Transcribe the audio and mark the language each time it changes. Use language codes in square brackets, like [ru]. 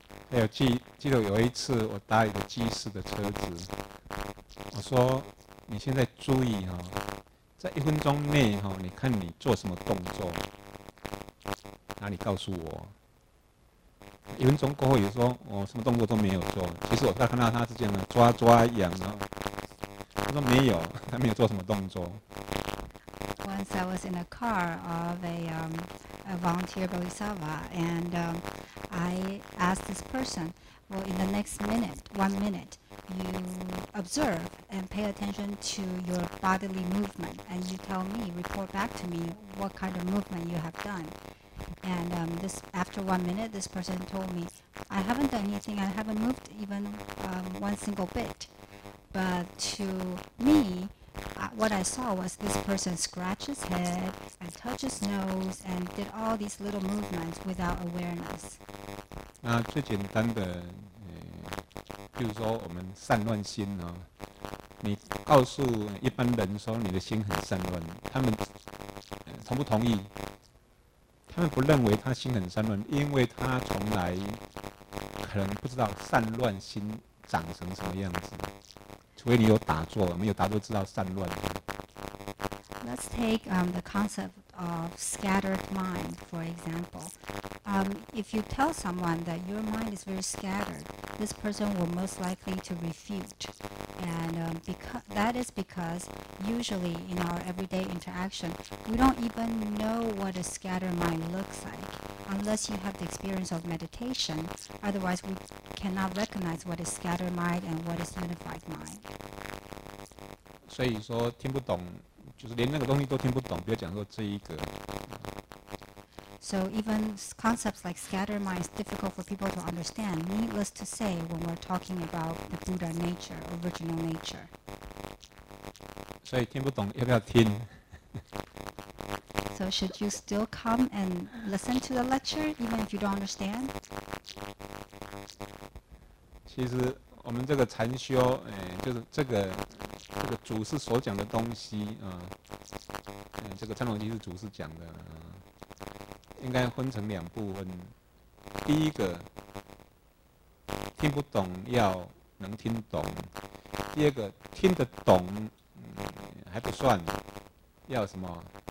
[zh] 还有记得有一次我搭一个机师的车子，我说你现在注意哈，在一分钟内哈，你看你做什么动作，然后你告诉我。一分钟过后，也说我什么动作都没有做。其实我在看到他是这样的，抓抓痒啊。他说没有，他没有做什么动作。 [en] Once I was in a car of a volunteer bodhisattva, and I asked this person, "Well, in the next minute, 1 minute, you observe and pay attention to your bodily movement, and you tell me, report back to me, what kind of movement you have done." And after 1 minute, this person told me, "I haven't done anything. I haven't moved even one single bit." But to me, what I saw was this person scratch his head and touch his nose and did all these little movements without awareness. [zh] 那最简单的，譬如说我们散乱心啊，你告诉一般人说你的心很散乱，他们同不同意？他们不认为他心很散乱，因为他从来可能不知道散乱心长成什么样子。除非你有打坐，没有打坐知道散乱。 [en] Let's take the concept of scattered mind for example. If you tell someone that your mind is very scattered, this person will most likely to refute. And that is because usually in our everyday interaction, we don't even know what a scattered mind looks like unless you have the experience of meditation. Otherwise, we cannot recognize what is scattered mind and what is unified mind. [zh] 所以说听不懂，就是连那个东西都听不懂，不要讲说这一个。 [en] So even concepts like scattered mind is difficult for people to understand. Needless to say, when we're talking about the Buddha nature, original nature. [zh] 所以听不懂要不要听？ [en] So should you still come and listen to the lecture even if you don't understand? [zh] 其实我们这个禅修，就是这个祖师所讲的东西啊，这个禅宗就是祖师讲的。应该分成两部分，第一个听不懂要能听懂，第二个听得懂还不算，要什么？